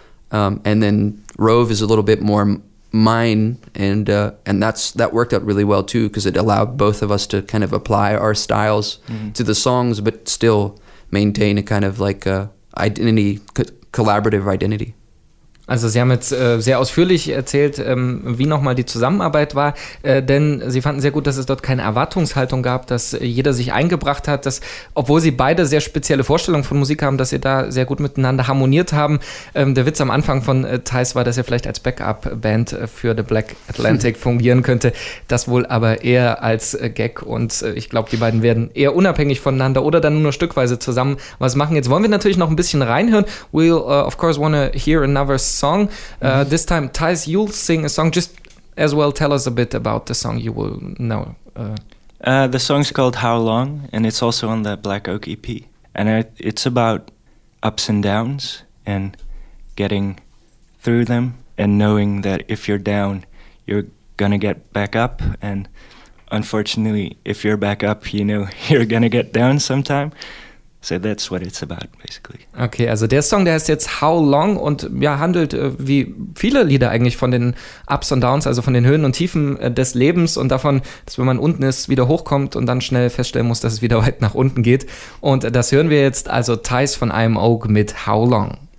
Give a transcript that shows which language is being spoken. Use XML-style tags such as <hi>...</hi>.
<en>And then Rove is a little bit more mine. And that worked out really well too, because it allowed both of us to kind of apply our styles to the songs, but still maintain a kind of like a collaborative identity.</en> <de>Also Sie haben jetzt sehr ausführlich erzählt, wie nochmal die Zusammenarbeit war, denn Sie fanden sehr gut, dass es dort keine Erwartungshaltung gab, dass jeder sich eingebracht hat, dass, obwohl Sie beide sehr spezielle Vorstellungen von Musik haben, dass Sie da sehr gut miteinander harmoniert haben. Der Witz am Anfang von Thais war, dass er vielleicht als Backup-Band für The Black Atlantic fungieren könnte, das wohl aber eher als Gag, und ich glaube, die beiden werden eher unabhängig voneinander oder dann nur stückweise zusammen was machen. Jetzt wollen wir natürlich noch ein bisschen reinhören.</de> <en>We'll of course wanna hear another song. This time, Thais, you'll sing a song. Just as well, tell us a bit about the song you will know. The song's called How Long, and it's also on the Black Oak EP. And it's about ups and downs and getting through them and knowing that if you're down, you're gonna get back up. And unfortunately, if you're back up, you know you're gonna get down sometime. So that's what it's about, basically.</en> <de>Okay, also der Song, der heißt jetzt How Long und ja, handelt wie viele Lieder eigentlich von den Ups und Downs, also von den Höhen und Tiefen des Lebens und davon, dass wenn man unten ist, wieder hochkommt und dann schnell feststellen muss, dass es wieder weit nach unten geht. Und das hören wir jetzt, also Thais von I Am Oak mit How Long.</de>